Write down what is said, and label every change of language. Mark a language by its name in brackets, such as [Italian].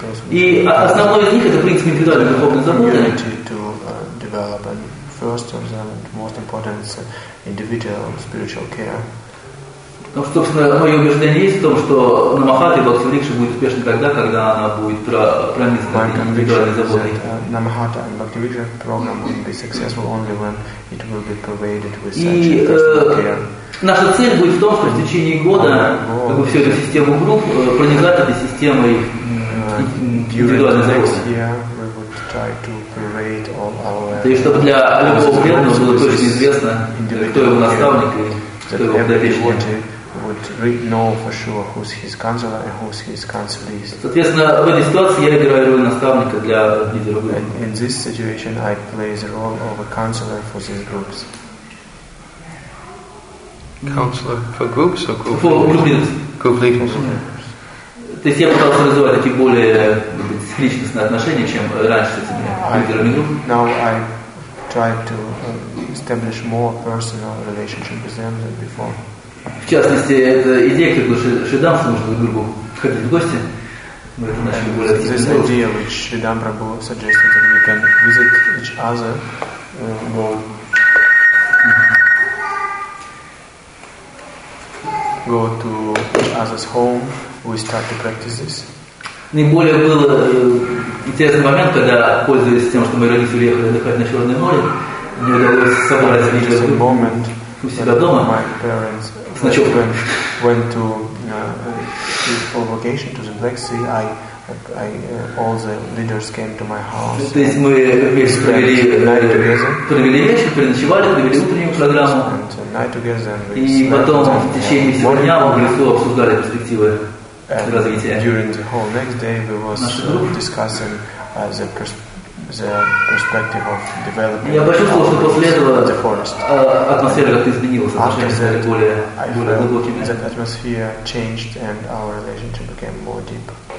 [Russian] И основной из них это принцип индивидуальной духовной заботы. [English] To develop and first of them and most important individual spiritual care. [Russian] Ну, собственно, мое убеждение есть в том, что намахата и бхактивикша будет успешна тогда, когда она будет пронизана индивидуальной заботой. [English] Намахата and бхактивикша program will be successful only when it will be pervaded with [Russian] наша цель будет в том, что в течение года как бы всю эту систему групп пронизать этой системой. То есть, чтобы для любого преданного было точно известно, кто его наставник и кто его подопечный. Соответственно, в этой ситуации я играю роль наставника для лидеров группы. [English] In this situation, I play the role of a counselor for these groups. Counselor for groups or group? For groups. Group leaders. [Russian] То есть я пытался развивать такие более личностные отношения, чем раньше с этими лидерами групп. [English] Now I try to establish more personal relationship with them than before. [Russian] В частности, это идея, как бы Шридам сможет в группу ходить в гости. Мы это начали более активно. [English] This idea, which Шридам Прабху suggested that we can visit each other more. Go to each other's home. We start to practice this. [Russian] Наиболее был интересный момент, когда, пользуясь тем, что мои родители уехали отдыхать на Черное море, мне удалось собрать лидеров [English] moment, [Russian] у себя дома. [English] My parents [Russian] с ночевкой. [English] Went to for vacation to the Black Sea. I all the leaders came to my house. [Russian] То есть мы вместе провели вечер, переночевали, провели утреннюю программу. [English] Night together, [Russian] и потом в течение всего дня мы в лесу обсуждали перспективы. [English] And during the whole next day, we was discussing the perspective of developing. [Russian] Я почувствовал, что после этого атмосфера как-то изменилась, отношения стали более глубокими. [English] That atmosphere changed and our relationship became more deep.